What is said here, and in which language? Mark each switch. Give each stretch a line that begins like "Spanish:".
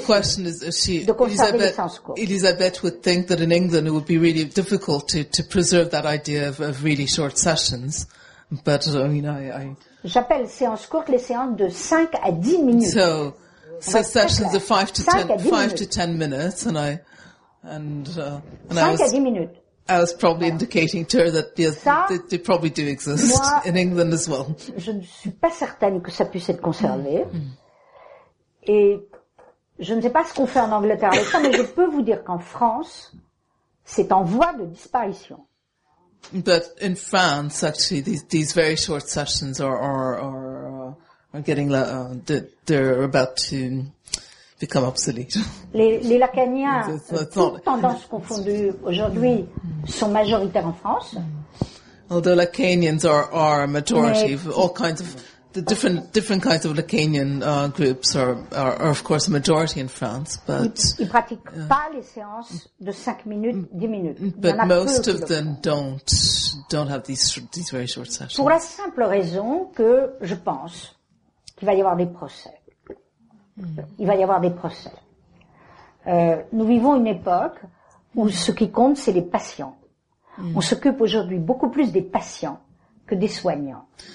English: question is, Elizabeth would think that in England it would be really difficult to preserve that idea of really short sessions. But, I mean, I...
French: J'appelle séance courte les séances de 5 à 10 minutes.
English: So sessions of 5 to 10 minutes, I was probably indicating to her that they probably do exist in England as well.
French: Je ne suis pas certaine que ça puisse être conservé. Et je ne sais pas ce qu'on fait en Angleterre avec ça, mais je peux vous dire qu'en France, c'est en voie de disparition.
English: But in France, actually, these very short sessions are getting they're about to become obsolete.
French: Les lacaniens, toutes tendances confondues aujourd'hui, sont majoritaires en France.
English: Although Lacanians are a majority of all kinds of the different kinds of Lacanian groups are of course a majority in France, but
French: ils pratiquent pas les séances de 5 minutes, 10 minutes.
English: But most of them don't have these very short sessions.
French: Pour la simple raison que je pense qu'il va y avoir des procès. Il va y avoir des procès. Nous vivons une époque où ce qui compte, c'est les patients. Mm. On s'occupe aujourd'hui beaucoup plus des patients que des soignants.